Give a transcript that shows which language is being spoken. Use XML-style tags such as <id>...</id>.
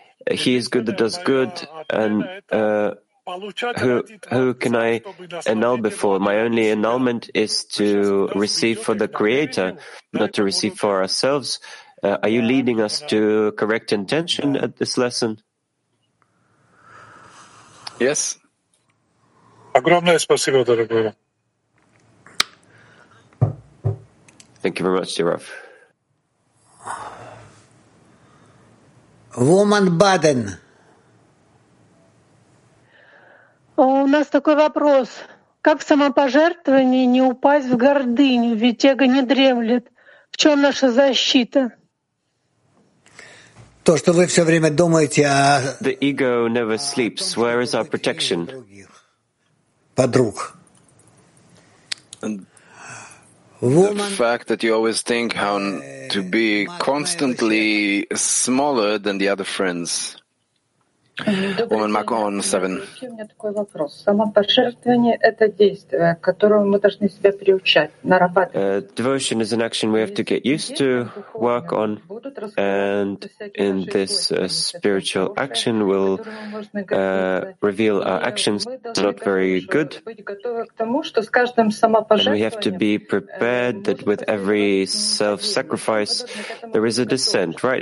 <en>He is good that does good, and who can I annul before? My only annulment is to receive for the Creator, not to receive for ourselves. Are you leading us to correct intention at this lesson? Yes.</en> <ru>Огромное спасибо, дорогой.</ru> <en>Thank you very much, dear Rav. Woman Baden.</en> <ru>У нас такой вопрос. Как в самопожертвовании не упасть в гордыню, ведь эго не дремлет? В чем наша защита? То, что вы все время думаете о...</ru> <en>The ego never sleeps. Where is our protection?</en> <ru>Подруг.</ru> <en>The fact that you always think how to be constantly smaller than the other friends. Woman Macon 7.</en> <ru>У меня такой вопрос. Самопожертвование — это действие, к которому мы должны себя приучать, нарабатывать.</ru> <en>Devotion is an action we have to get used to, work on, and in this spiritual action will reveal our actions are not very good. And we have to be prepared that with every self-sacrifice there is a descent, right?</en>